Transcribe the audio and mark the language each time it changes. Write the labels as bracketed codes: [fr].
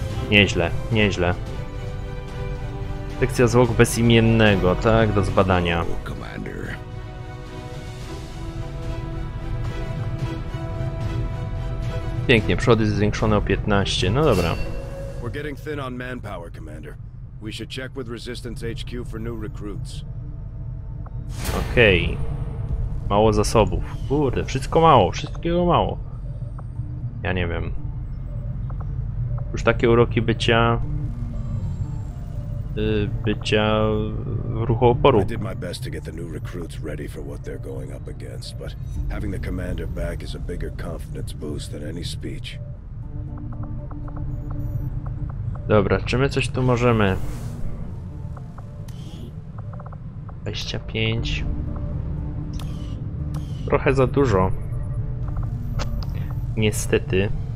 [pl] Nieźle, nieźle. Sekcja zwłok bezimiennego, tak? Do zbadania. Pięknie, przychody zwiększone o 15. No dobra. [en] We're getting thin on manpower, Commander. We should check with Resistance HQ for new recruits. [pl] Okej. Okay. Mało zasobów. Kurde, wszystko mało, wszystkiego mało. Ja nie wiem. Już takie uroki bycia. Bycia w ruchu oporu. [en] I did my best to get the new recruits ready for what they're going up against, but having the commander back is a bigger confidence boost than any speech. [pl] Dobra, czy my coś tu możemy? 25. Trochę za dużo. Niestety.